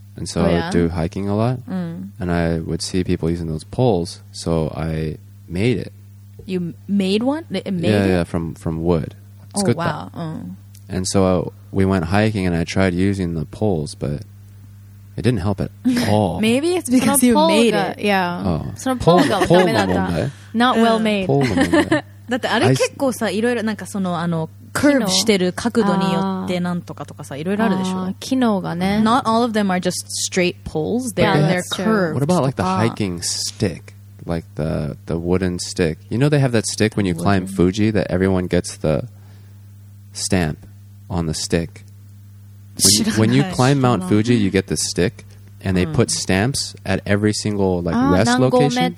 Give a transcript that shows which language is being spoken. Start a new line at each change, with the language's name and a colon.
English: And so I would do hiking a lot. And I would see people using those poles. So I... made it you made one it made yeah it? Yeah from wood it's oh good wow and so we went hiking and I tried using the poles but It didn't help at all. Maybe it's because you made it. Yeah. Oh.
Japanese: そのポールがダメだった。
English: Not well made.
Japanese: だってあれ結構さ、いろいろなんかその、あの、 curveしてる角度によってなんとかとかさ、いろいろあるでしょ。機能がね。
English: Not all of them are just straight poles. They are their curves. What about like the hiking stick? Like the wooden stick. You know they have that stick when you climb Fuji that everyone gets the stamp on the stick. When you climb Mount Fuji, you get the stick, and they put stamps at every single like rest location.